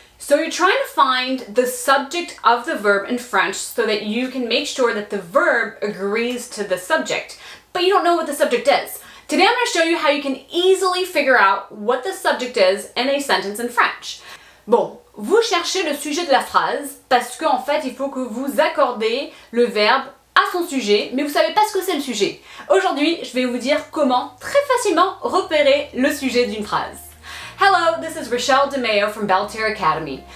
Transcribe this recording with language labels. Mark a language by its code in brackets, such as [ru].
[en] So you're trying to find the subject of the verb in French so that you can make sure that the verb agrees to the subject, but you don't know what the subject is. Today I'm going to show you how you can easily figure out what the subject is in a sentence in French. [fr] Bon, vous cherchez le sujet de la phrase parce qu'en fait il faut que vous accordez le verbe à son sujet, mais vous savez pas ce que c'est le sujet. Aujourd'hui, je vais vous dire comment très facilement repérer le sujet d'une phrase. [en] Hello, this is Rachel DeMeo from Belterre Academy.